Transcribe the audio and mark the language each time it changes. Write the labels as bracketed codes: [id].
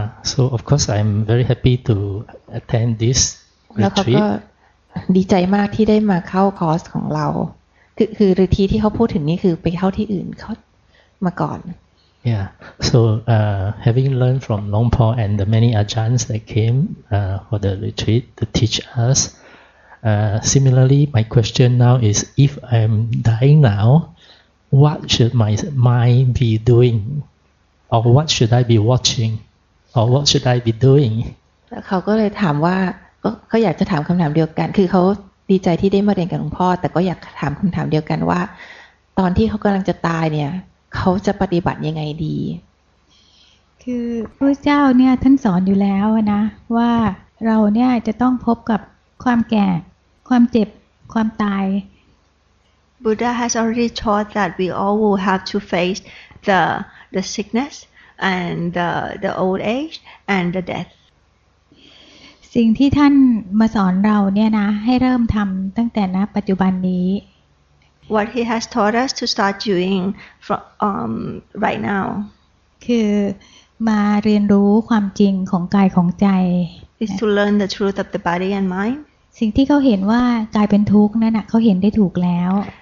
[en] so of course I'm very happy to attend this retreat [th] แล้วเขาก็ดีใจมากที่ได้มาเข้าคอร์สของเราคือรีทรีทที่เขาพูดถึงนี่คือไปเข้าที่อื่นเขามาก่อน [en] Yeah. So having learned from Long Paul and the many ajahns that came for the retreat to teach us, similarly, my question now is, if I'm dying now, what should my mind be doing? Or what should I be watching? Or what should I be doing? [th] เขาก็เลยถามว่าเขาอยากจะถามคำถามเดียวกันคือเขาดีใจที่ได้มาเรียนกับหลวงพ่อแต่ก็อยากถามคำถามเดียวกันว่าตอนที่เขากำลังจะตายเนี่ยเขาจะปฏิบัติยังไงดี คือพระเจ้าเนี่ยท่านสอนอยู่แล้วนะว่าเราเนี่ยจะต้องพบกับความแก่ความเจ็บความตาย [en] Buddha has already taught that we all will have to face the sickness and the old age and the death [th] สิ่งที่ท่านมาสอนเราเนี่ยนะให้เริ่มทำตั้งแต่ณปัจจุบันนี้ [en] What he has taught us to start doing from right now [th] คือมาเรียนรู้ความจริงของกายของใจ [en] is to learn the truth of the body and mind [th] สิ่งที่เขาเห็นว่ากายเป็นทุกข์นั่นน่ะเขาเห็นได้ถูกแล้ว